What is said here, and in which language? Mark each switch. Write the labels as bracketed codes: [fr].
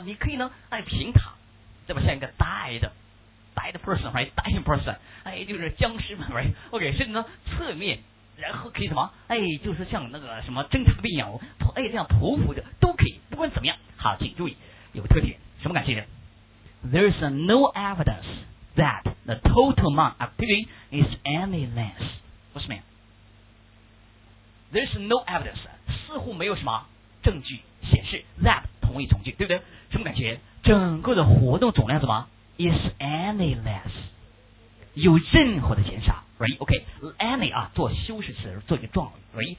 [zh] 你可以呢，哎，平躺，对吧？像一个 dead person， right？ dead person， 哎，就是僵尸们， right？ OK， 甚至呢，侧面，然后可以什么？哎，就是像那个什么侦察兵一样，哎，这样匍匐的都可以，不管怎么样。好，请注意有个特点，什么感觉？ [en] There's no evidence that the total amount of activity is any less. What's mean? There's no evidence. [zh] 似乎没有什么证据显示 that 同义从句，对不对？什么感觉？整个的活动总量怎么 is any less? 有任何的减少 ？Right? OK. Any 啊，做修饰词，做一个状语 ，right?